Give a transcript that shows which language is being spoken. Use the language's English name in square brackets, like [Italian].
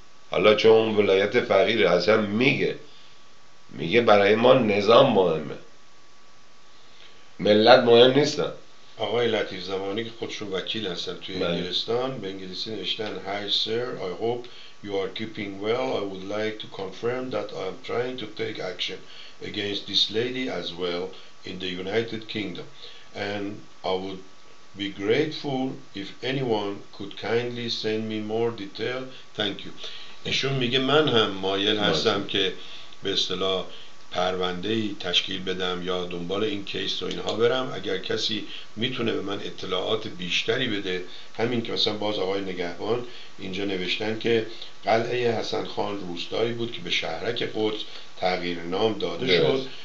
[Persian] حالا چون اون ولایت فقیر اصلا میگه برای ما نظام مهمه، ملت مهم نیستن. آقای لطیف زمانی که خودشون وکیل هستن توی انگلستان به انگلیسی نوشتن [English] Hi sir, I hope you are keeping well. I would like to confirm that I am trying to take action against this lady as well in the United Kingdom. And I would be grateful if anyone could kindly send me more detail. Thank you. [Persian] ایشون میگه من هم مایل هستم که به اصطلاح پرونده‌ای تشکیل بدم یا دنبال این کیس رو اینها برم، اگر کسی میتونه به من اطلاعات بیشتری بده. همین که مثلا باز آقای نگهبان اینجا نوشتن که قلعه حسن خان روستایی بود که به شهرک قدس تغییر نام داده شد دلست.